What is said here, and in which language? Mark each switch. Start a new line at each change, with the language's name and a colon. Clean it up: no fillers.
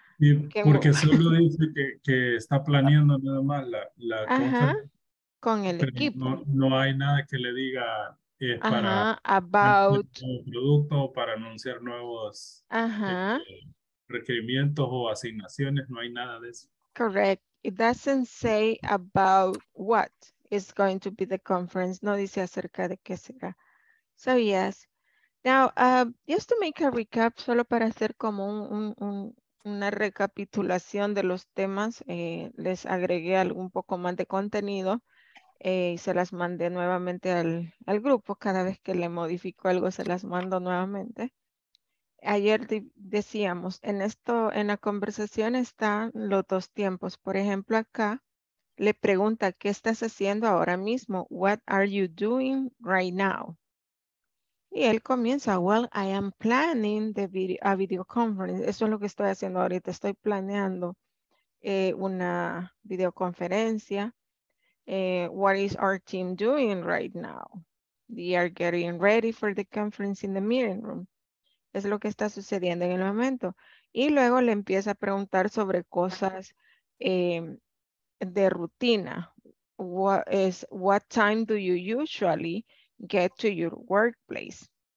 Spanish: sí, porque solo dice que está planeando nada más la conferencia. Con el equipo. No hay nada que le diga. Ajá,
English: about
Spanish: producto o para anunciar nuevos requerimientos o asignaciones, no hay nada de eso.
English: Correct. It doesn't say about what is going to be the conference.
Spanish: No dice acerca de qué será.
English: So yes. Now, just to make a recap,
Spanish: solo para hacer como una recapitulación de los temas, les agregué algún poco más de contenido. Y se las mandé nuevamente al grupo. Cada vez que le modifico algo, se las mando nuevamente. Ayer decíamos, en la conversación están los dos tiempos. Por ejemplo, acá le pregunta, ¿qué estás haciendo ahora mismo?
English: What are you doing right now?
Spanish: Y él comienza,
English: well, I am planning a video conference.
Spanish: Eso es lo que estoy haciendo ahorita. Estoy planeando una videoconferencia.
English: What is our team doing right now? They are getting ready for the conference in the meeting room.
Spanish: Es lo que está sucediendo en el momento. Y luego le empieza a preguntar sobre cosas de rutina.
English: What time do you usually get to your workplace?